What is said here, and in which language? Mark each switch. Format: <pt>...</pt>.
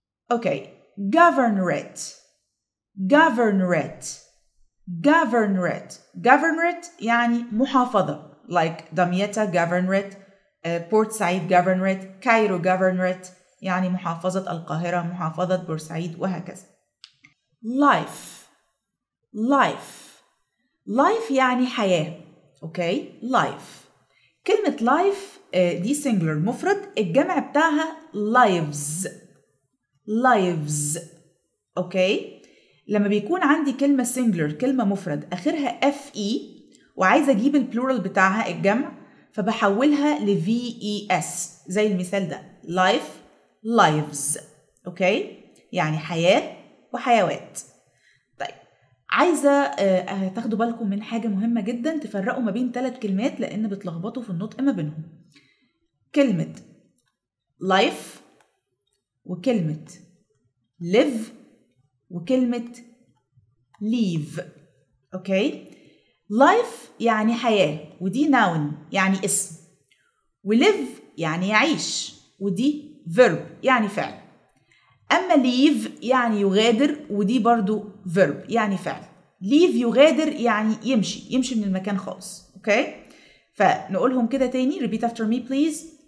<en>okay. governorate. governorate. governorate.</en> <ar>governorate يعني محافظة like دمياط governorate, port سعيد governorate, كايرو governorate يعني محافظة القاهرة, محافظة بورسعيد وهكذا.</ar> <en>life. life. life</en> <ar>يعني حياة.</ar> <en>okay. life.</en> <ar>كلمة life دي singular مفرد، الجمع بتاعها lives.</ar> <en>lives.</en> <ar>اوكي، لما بيكون عندي كلمة singular كلمة مفرد اخرها fe وعايزة اجيب البلورال بتاعها الجمع، فبحولها ل ves زي المثال ده life lives. اوكي، يعني حياة وحيوات. عايزة تاخدوا بالكم من حاجة مهمة جدا، تفرقوا ما بين ثلاث كلمات لأن بتلخبطوا في النطق ما بينهم. كلمة life وكلمة live وكلمة leave. اوكي، life يعني حياة ودي noun يعني اسم، ولive يعني يعيش ودي verb يعني فعل، أما leave يعني يغادر ودي برضو verb يعني فعل. leave يغادر يعني يمشي، يمشي من المكان خالص. اوكي، فنقولهم كده تاني،</ar> <en>repeat after me please.</en>